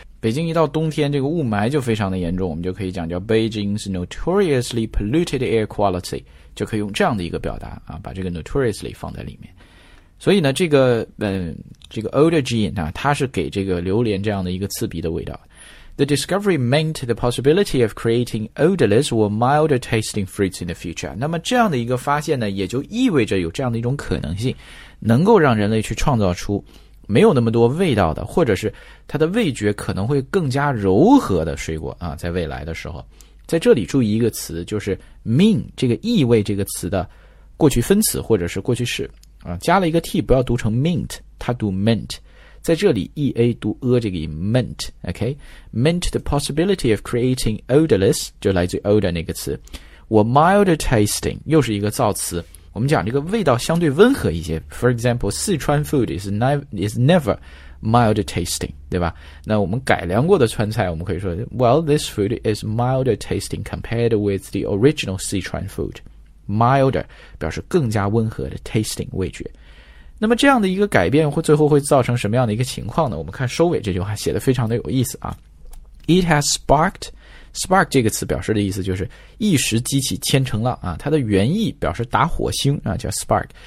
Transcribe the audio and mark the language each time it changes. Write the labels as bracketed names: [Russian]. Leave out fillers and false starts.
[Chinese] 北京一到冬天这个雾霾就非常的严重，我们就可以讲叫 [English] Beijing's notoriously polluted air quality， [Chinese] 就可以用这样的一个表达啊，把这个 notoriously 放在里面。所以呢这个 odorigine 啊，它是给这个榴莲这样的一个刺鼻的味道。 [English] The discovery meant the possibility of creating odorless or milder tasting fruits in the future. [Chinese] 那么这样的一个发现呢，也就意味着有这样的一种可能性，能够让人类去创造出没有那么多味道的，或者是它的味觉可能会更加柔和的水果啊，在未来的时候。在这里注意一个词，就是 mean 这个意味这个词的过去分词或者是过去式啊，加了一个 t， 不要读成 mint， 它读 meant。在这里 [English] ,ea 读 a 这个音 ,meant, ok? Meant the possibility of creating odorless, [Chinese] 就来自 odor 那个词。我 [English] milder tasting, [Chinese] 又是一个造词。我们讲这个味道相对温和一些。 [English] For example, 四川 food is never milder tasting, [Chinese] 对吧？那我们改良过的川菜我们可以说 [English] ,well, this food is milder tasting compared with the original 四川 food. [Chinese] Milder, 表示更加温和的 tasting, 味觉。那么这样的一个改变会最后会造成什么样的一个情况呢？我们看收尾这句话写得非常的有意思啊。 [English] It has sparked [Chinese] 这个词表示的意思就是一时激起千层浪啊，它的原意表示打火星啊，叫 spark。